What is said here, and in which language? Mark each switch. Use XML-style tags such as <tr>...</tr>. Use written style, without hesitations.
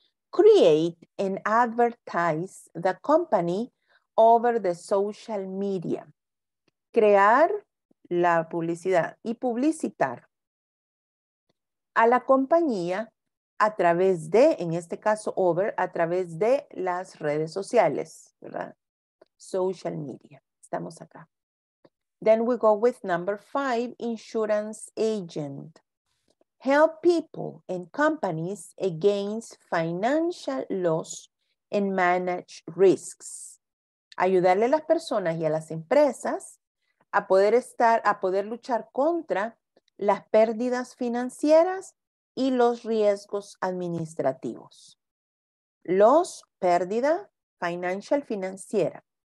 <en>Create and advertise the company over the social media.</en> <es>Crear la publicidad y publicitar a la compañía a través de, en este caso, over, a través de las redes sociales, ¿verdad?</es> <en>Social media.</en> <es>Estamos acá.</es> <en>Then we go with number five, insurance agent. Help people and companies against financial loss and manage risks.</en> <es>Ayudarle a las personas y a las empresas a poder estar, a poder luchar contra las pérdidas financieras y los riesgos administrativos. Loss, pérdida, financial, financiera.</es>